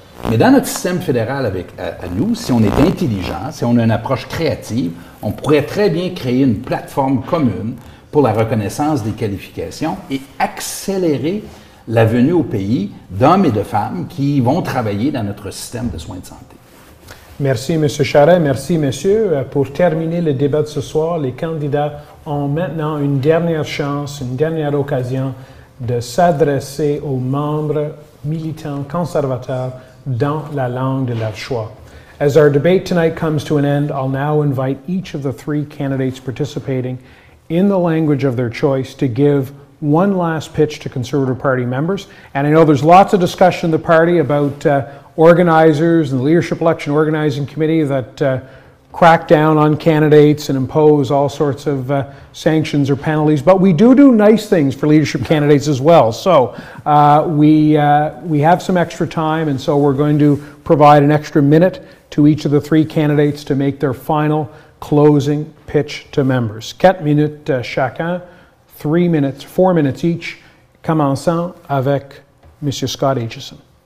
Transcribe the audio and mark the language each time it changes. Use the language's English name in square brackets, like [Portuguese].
[French] Mais dans notre système fédéral à nous, si on est intelligent, si on a une approche créative, on pourrait très bien créer une plateforme commune pour la reconnaissance des qualifications et accélérer la venue au pays d'hommes et de femmes qui vont travailler dans notre système de soins de santé. Merci, M. Charest. Merci, messieurs. Pour terminer le débat de ce soir, les candidats ont maintenant une dernière chance, une dernière occasion de s'adresser aux membres militants conservateurs dans la langue de leur choix. [English] As our debate tonight comes to an end, I'll now invite each of the three candidates participating in the language of their choice to give one last pitch to Conservative Party members. And I know there's lots of discussion in the party about organizers and the Leadership Election Organizing Committee that crack down on candidates and impose all sorts of sanctions or penalties. But we do nice things for leadership candidates as well. So we have some extra time, and so we're going to provide an extra minute to each of the three candidates to make their final closing pitch to members. [French] 4 minutes chacun, 3 minutes, [English] 4 minutes each, [French] commençant avec Monsieur Scott Aitchison.